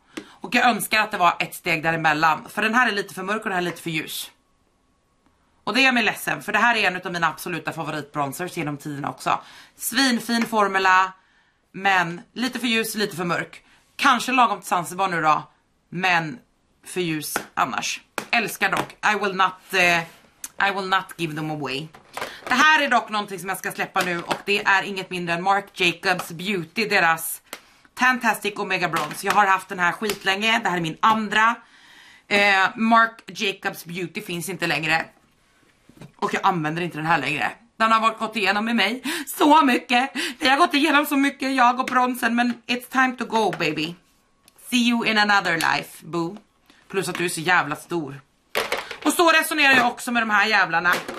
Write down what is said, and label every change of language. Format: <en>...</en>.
<sv>Och jag önskar att det var ett steg däremellan. För den här är lite för mörk och den här är lite för ljus. Och det gör mig ledsen. För det här är en av mina absoluta favoritbronzers genom tiden också. Svinfin formula. Men lite för ljus, lite för mörk. Kanske lagom till Zanzibar nu då. Men för ljus annars. Älskar dock.</sv> <en>I will not give them away.</en> <sv>Det här är dock någonting som jag ska släppa nu. Och det är inget mindre än Marc Jacobs Beauty. Deras Fantastic Omega Bronze. Jag har haft den här skitlänge. Det här är min andra. Marc Jacobs Beauty finns inte längre. Och jag använder inte den här längre. Den har gått igenom med mig så mycket. Vi har gått igenom så mycket, jag och bronsen. Men</sv> <en>it's time to go, baby. See you in another life, boo.</en> <sv>Plus att du är så jävla stor. Och så resonerar jag också med de här jävlarna.</sv>